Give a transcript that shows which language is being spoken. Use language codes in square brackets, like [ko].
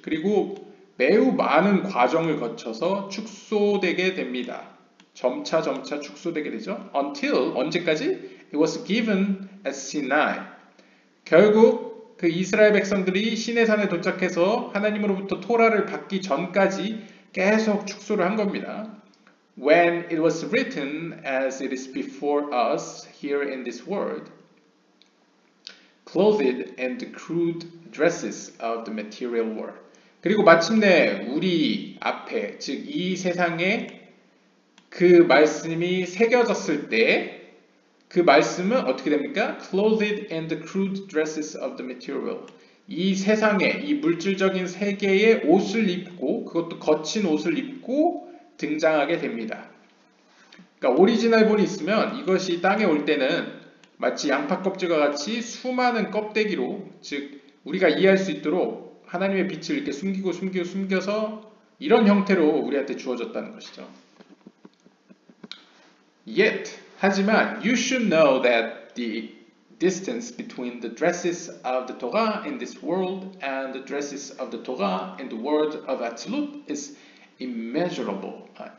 [ko] 그리고 매우 많은 과정을 거쳐서 축소되게 됩니다. 점차 축소되게 되죠. [en] Until, [ko] 언제까지? [en] It was given at Sinai. [ko] 결국 그 이스라엘 백성들이 시내산에 도착해서 하나님으로부터 토라를 받기 전까지 계속 축소를 한 겁니다. [en] When it was written as it is before us here in this world. Clothed and crude dresses of the material world. [ko] 그리고 마침내 우리 앞에, 즉 이 세상에 그 말씀이 새겨졌을 때 그 말씀은 어떻게 됩니까? [en] Clothed and crude dresses of the material world. [ko] 이 세상에, 이 물질적인 세계에 옷을 입고 그것도 거친 옷을 입고 등장하게 됩니다. 그러니까 오리지널 본이 있으면 이것이 땅에 올 때는 마치 양파 껍질과 같이 수많은 껍데기로, 즉 우리가 이해할 수 있도록 하나님의 빛을 이렇게 숨기고 숨기고 숨겨서 이런 형태로 우리한테 주어졌다는 것이죠. [en] Yet, [ko] 하지만 [en] you should know that the distance between the dresses of the Torah in this world and the dresses of the Torah in the world of Atzilut is immeasurable.